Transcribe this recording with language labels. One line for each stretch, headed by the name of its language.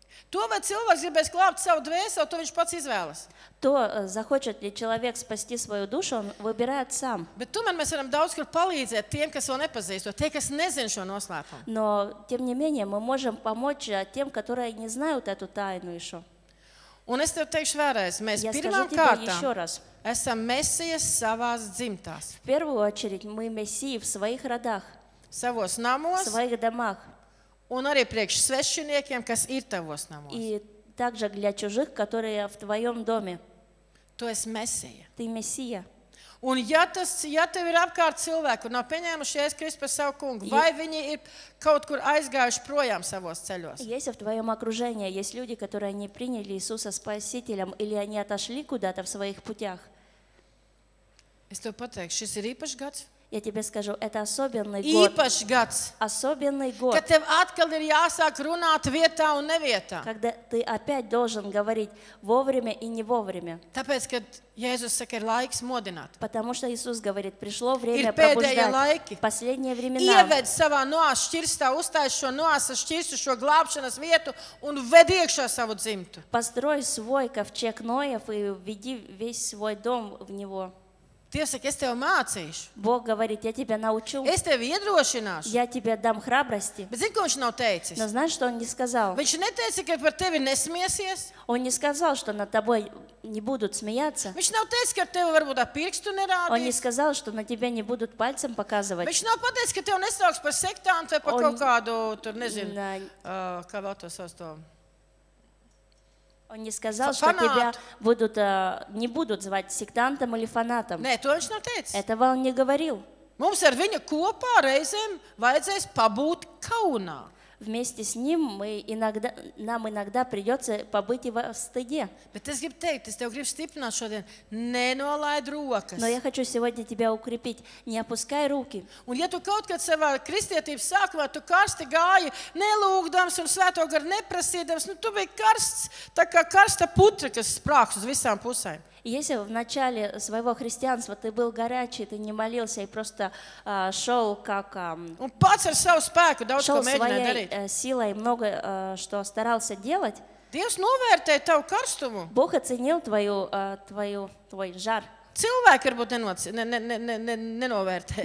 Russian: То, вот человек гибес клапт свою дверь, то он сам избирает. То захочет ли человек спасти свою душу, он выбирает сам.
Latvian: Bet tu man mēs varam daudz kur palīdzēt tiem, kas vēl nepazīst, tie, kas nezin šo noslēpumu.
Russian: Но тем не менее мы можем помочь тем, которые не знают эту тайну ещё.
Latvian: Un es tev teikšu vēlreiz, mēs pirmām kārtām esam mesijas savās dzimtās.
Russian: В первую очередь мы мессии в своих родах.
Latvian: Savos namos.
Russian: Своих домах.
Latvian: Un arī priekš svešiniekiem, kas ir tavos namos.
Russian: И также для чужих, которые в твоём доме.
Latvian: Tu esi Mesija.
Russian: Ты Мессия.
Latvian: Un ja tas, ja tev ir apkārt cilvēki, kur nav pieņēmuši Jēzus Kristu par savu kungu, ja, vai viņi ir kaut kur aizgājuši projām savos ceļos?
Russian: Если в твоём окружении есть люди, которые не приняли Иисуса Спасителем или они отошли куда-то в своих путях.
Latvian: Es tev pateikšu, šis ir īpašs gads.
Russian: Я тебе скажу, это особенный год.
Latvian: Īpašs gads.
Russian: Особенный год.
Latvian: Kad tev atkal ir jāsāk runāt vietā un nevietā.
Russian: Когда ты опять должен говорить вовремя и не вовремя.
Latvian: Tāpēc, kad Jēzus saka, ir laiks modināt.
Russian: Потому что Иисус говорит, пришло время пробуждать.
Latvian: Ir pēdējie laiki.
Russian: Последние времена.
Latvian: Ieved savā noās šķirstā, uzstāj šo noās šķirstu, šo glābšanas vietu un ved iekšā savu dzimtu.
Russian: Построй свой ковчег Ноев и введи весь свой дом в него.
Latvian: Dievs saka, es tev mācīšu.
Russian: Бог говорит, я тебя научу.
Latvian: Es tevi iedrošināšu.
Russian: Я тебе дам храбрости.
Latvian: Bet zini, ko viņš nav teicis?
Russian: Но знаешь, что он не сказал?
Latvian: Viņš neteica, ka par tevi nesmiesies.
Russian: Он не сказал, что над тобой не будут смеяться.
Latvian: Viņš nav teicis, ka ar tevi varbūt ar pirkstu nerādīs.
Russian: Он не сказал, что на тебя не будут пальцем показывать.
Latvian: Viņš nav pateicis, ka tev nesauks par sektantu vai par kaut kādu, tur nezinu, kā vēl to sauc to...
Russian: Он не сказал, что тебя будут, не будут звать сектантом или фанатом. Не, то точно отец. Этого он не говорил.
Latvian: Mums ar viņu kopā reizēm vajadzēs pabūt kaunā.
Russian: Вместе с ним мы иногда, нам иногда придется побыть и в стыде.
Latvian: Bet es gribu teikt, es tev gribu stiprināt šodien. Nenolaid rokas.
Russian: Но я хочу сегодня тебя укрепить. Не опускай руки.
Latvian: Un ja tu kaut kad savā kristietības sākumā, tu karsti gāji, nelūgdams un svēto garu neprasīdams, nu tu biji karsts, tā kā karsta putra, kas sprāks uz visām pusēm.
Russian: Если в начале своего христианства ты был горячий, ты не молился и просто шел как...
Latvian: Un pats ar savu spēku daudz ko mēģināja darīt.
Russian: Шел своей силой много что старался делать.
Latvian: Dievs novērtē tavu karstumu.
Russian: Бог оценил твою, твой жар.
Latvian: Cilvēki varbūt nenovērtē.